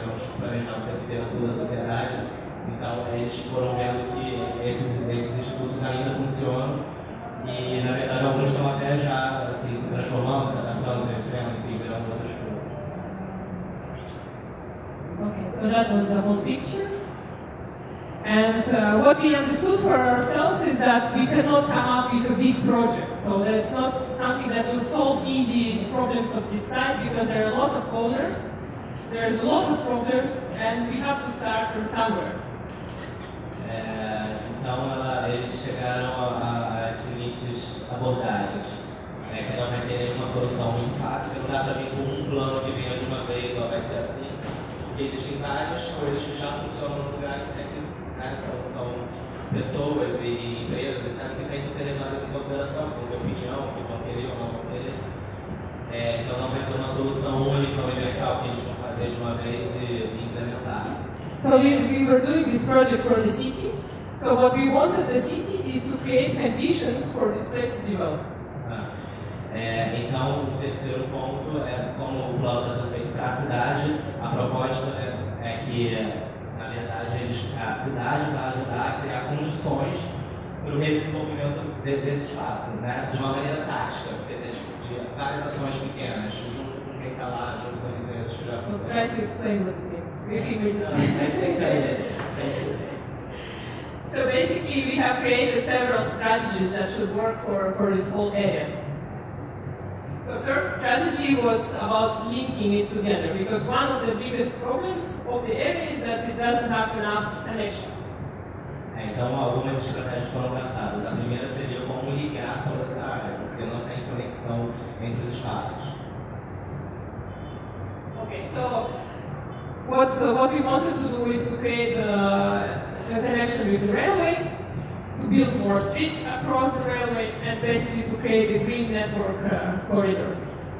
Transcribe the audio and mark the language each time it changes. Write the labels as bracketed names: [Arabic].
[Portuguese] Então eles planejavam o tempo toda a sociedade. Então eles foram vendo que esses institutos ainda funcionam. E, na verdade, alguns estão até já assim, se transformando, se adaptando, crescendo, enfim, virando outras coisas. [English] Ok, so that was the whole picture. And what we understood for ourselves is that we cannot come up with a big project. So that's not something that will solve easy the problems of this site, because there are a lot of owners, there's a lot of problems, and we have to start from somewhere. [Portuguese] Então, eles chegaram a abordagens, né, que não vai ter solução muito fácil, não dá para vir com um plano que venha de uma vez, ou vai ser assim, porque existem várias coisas que já funcionam no lugar de técnico, né? São pessoas e empresas, etc., que têm que ser levadas em consideração, como minha opinião, que vão querer ou não vão querer. É, então, não vai ter uma solução hoje que é universal que a gente vai fazer de uma vez e implementar. [English] So we were doing this project for the city. So what we want at the city is to create conditions for this place to develop. [Portuguese] Então, o terceiro ponto é como o plano está sendo feito para a cidade. A proposta é que, na verdade, a cidade vai ajudar a criar condições para o desenvolvimento desse espaço, né? De uma maneira tática, quer dizer, de várias ações pequenas, junto com quem está lá, junto com as empresas que já funcionam. Vamos tentar explicar o que é. [English] So, basically, we have created several strategies that should work for this whole area. The first strategy was about linking it together, because one of the biggest problems of the area is that it doesn't have enough connections. [Portuguese] Então, algumas estratégias foram traçadas. A primeira seria como ligar toda essa área, porque não tem conexão entre os espaços. [English] Okay, so what we wanted to do is to create a connection with the railway, to build more streets across the railway, and basically to create the green network corridors.